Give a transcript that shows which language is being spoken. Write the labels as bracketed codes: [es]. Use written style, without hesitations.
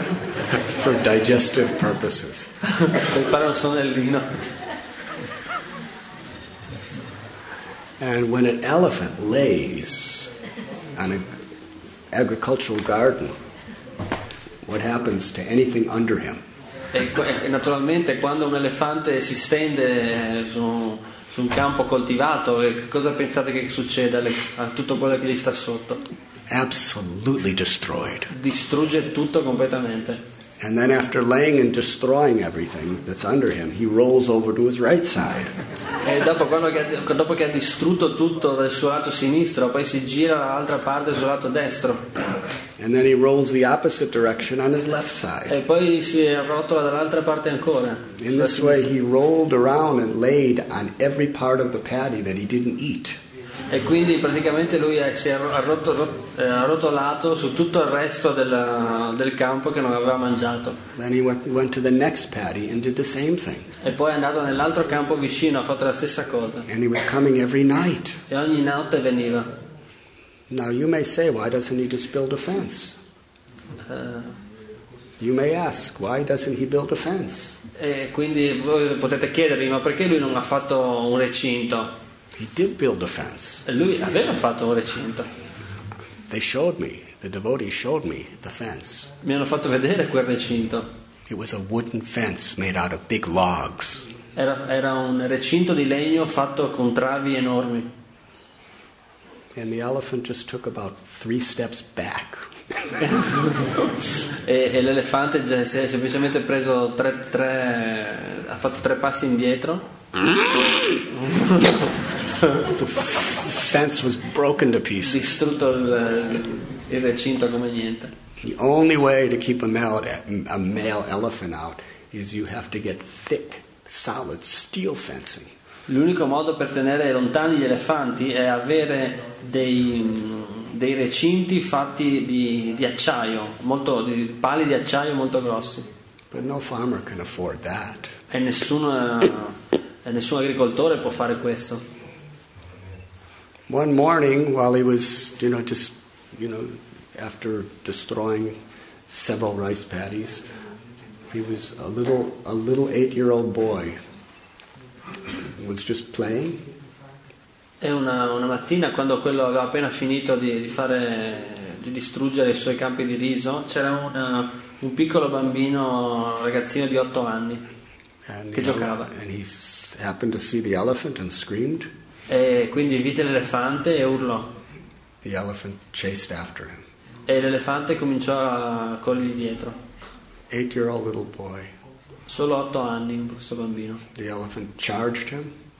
[en] For digestive purposes. [it] Per fare un sonnellino. [en] And when an elephant lays on an agricultural garden, what happens to anything under him? [it] E naturalmente quando un elefante si stende su un campo coltivato, cosa pensate che succeda a tutto quello che gli sta sotto? [en] Absolutely destroyed. [it] Distrugge tutto completamente. [en] And then after laying and destroying everything that's under him, he rolls over to his right side. [it] E dopo che ha distrutto tutto dal suo lato sinistro, poi si gira dall'altra parte sul lato destro. [en] And then he rolls the opposite direction on his left side. [it] E poi si arrotola dall'altra parte ancora. [en] In this way he rolled around and laid on every part of the paddy that he didn't eat. [it] E quindi praticamente lui si è arrotolato su tutto il resto del campo che non aveva mangiato. [en] Then he went to the next paddy and did the same thing. [it] E poi è andato nell'altro campo vicino, ha fatto la stessa cosa. [en] And he was coming every night. [it] E ogni notte veniva. [en] Now you may say, why doesn't he just build a fence? You may ask, why doesn't he build a fence? [it] E quindi voi potete chiedervi, ma perché lui non ha fatto un recinto? [en] He did build a fence. [it] E lui aveva fatto un recinto. [en] They showed me, the devotees showed me the fence. [it] Mi hanno fatto vedere quel recinto. [en] It was a wooden fence made out of big logs. [it] Era un recinto di legno fatto con travi enormi. [en] And the elephant just took about 3 steps back. [it] E l'elefante già si è semplicemente preso tre ha fatto 3 passi indietro. [en] The fence was broken to pieces. [it] Distrutto il recinto come niente. [en] The only way to keep a male elephant out is you have to get thick, solid steel fencing. [it] L'unico modo per tenere lontani gli elefanti è avere dei recinti fatti di acciaio, molto di pali di acciaio molto grossi. [en] But no farmer can afford that. [it] E nessun agricoltore può fare questo. [en] One morning while he was, you know, just, you know, after destroying several rice paddies, he was a little 8-year-old boy. Was just playing. [it] E una mattina quando quello aveva appena finito di distruggere i suoi campi di riso, c'era un piccolo bambino, un ragazzino di 8 anni che giocava. [en] And he happened to see the elephant and screamed. [it] E quindi vide l'elefante e urlò. [en] The elephant chased after him. [it] E l'elefante cominciò a corrigli dietro. [en] 8-year-old little boy. [it] Solo 8 anni questo bambino. [en] The elephant charged him.